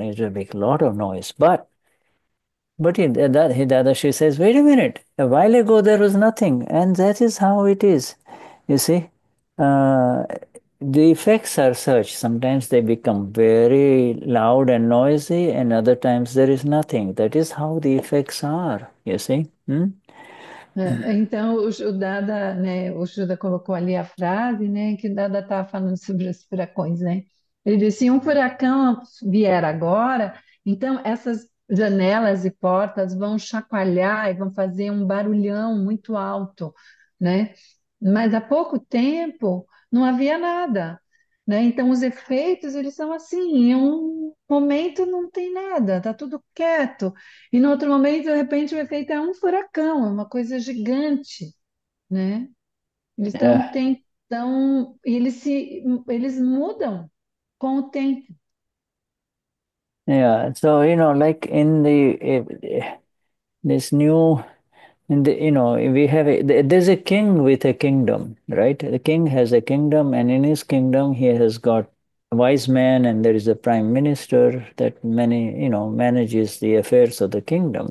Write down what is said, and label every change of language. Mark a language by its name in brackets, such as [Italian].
[English] It'll make a lot of noise. But Dadashri says, wait a minute, a while ago there was nothing, and that is how it is. You see, the effects are such. Sometimes they become very loud and noisy, and other times there is nothing. That is how the effects are, you see. [Portuguese] Então, o Shuddha colocou ali a frase, né, que o Dada estava falando sobre os furacões, né? Ele disse, se um furacão vier agora, então essas janelas e portas vão chacoalhar e vão fazer um barulhão muito alto, né? Mas há pouco tempo não havia nada, né? Então os efeitos, eles são assim, em um momento não tem nada, tá tudo quieto. E no outro momento, de repente, o efeito é um furacão, é uma coisa gigante, né? Eles estão tentando, eles mudam com o tempo. [English] So like in the this new in the you know we have a there's a king with a kingdom, right? The king has a kingdom, and in his kingdom he has got wise man, and there is a prime minister that many, manages the affairs of the kingdom.